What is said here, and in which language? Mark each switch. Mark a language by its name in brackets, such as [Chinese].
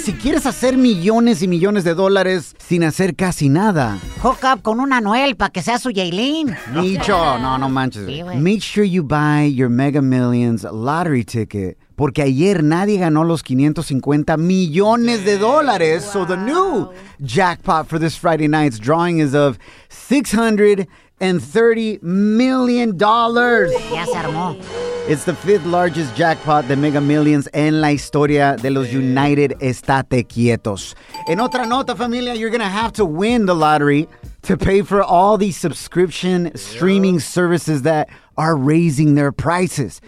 [Spanish] Si quieres hacer millones y millones de dólares sin hacer casi nada, [English] hook up [Spanish] con una Anuel para que sea su Yailin. Micho. No, no manches. [English] Sí, make sure you buy your Mega Millions lottery ticket. [Spanish] Porque ayer nadie ganó los 550 millones de dólares. [English] Wow. So the new jackpot for this Friday night's drawing is of $630 million. [Spanish] Ya se armó. [English] It's the fifth largest jackpot [Spanish] de Mega Millions en la historia de los United Estate Quietos. En otra nota, familia, [English] you're going to have to win the lottery to pay for all these subscription streaming services that are raising their prices.